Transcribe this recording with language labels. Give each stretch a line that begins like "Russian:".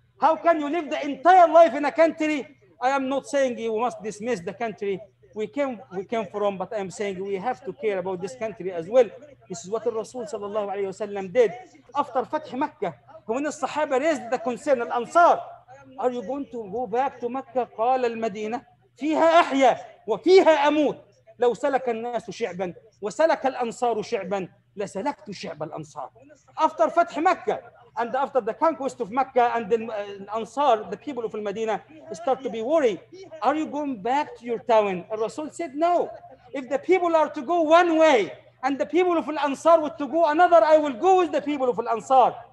English: How can you live the entire life in a country? I am not saying you must dismiss the country we came from, but I am saying we have to care about this country as well. This is what the Rasul sallallahu alayhi wa sallam did. After Fath Mecca, when the Sahaba raised the concern, Al-Ansar, are you going to go back to Mecca?
Arabic: قال المدينة فيها أحيا وفيها أموت لو سلك الناس شعبا وسلك الأنصار شعبا لسلكت شعب الأنصار.
English: After Fath Mecca and after the conquest of Mecca and the Ansar, the people of Medina start to be worried. Are you going back to your town? And Rasul said, no. If the people are to go one way and the people of Ansar were to go another, I will go with the people of Ansar.